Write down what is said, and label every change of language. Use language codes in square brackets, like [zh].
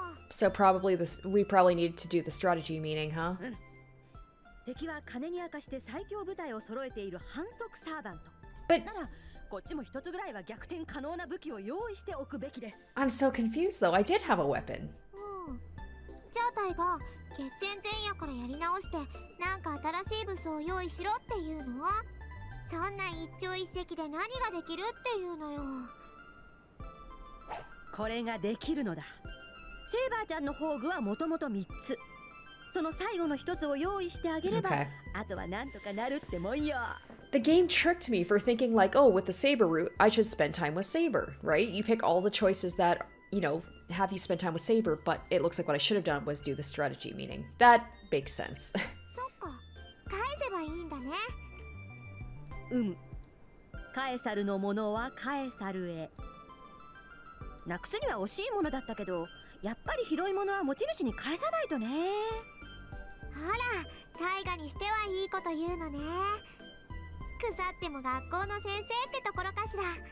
[en] So we probably needed to do the strategy meeting, huh? [ja] 敵は金に明かして最強部隊を揃えている反則サーバント。 [en] But [ja] なら、こっちも一つぐらいは逆転可能な武器を用意しておくべきです。 [en] I'm so confused though. I did have a weapon. [ja] じゃあ、大河、決戦前夜からやり直して、なんか新しい武装を用意しろっていうの？そんな一朝一夕で何ができるっていうのよ。これができるのだ。セイバーちゃんの宝具はもともと3つ。その最後の1つを用意してあげれば、あとはなんとかなるってもんよ。 [en] The game tricked me for thinking like, oh, with the saber route, I should spend time with saber, right? You pick all the choices that, you know, have you spend time with saber, but it looks like what I should have done was do the strategy meaning. That makes sense. [ja] そっか、返せばいいんだね。うむ。返さるのものは返さるへ。なくすには惜しいものだったけど、やっぱり拾いものは持ち主に返さないとね。ほら、タイガにしてはいいこと言うのね。腐っても学校の先生ってところかしら。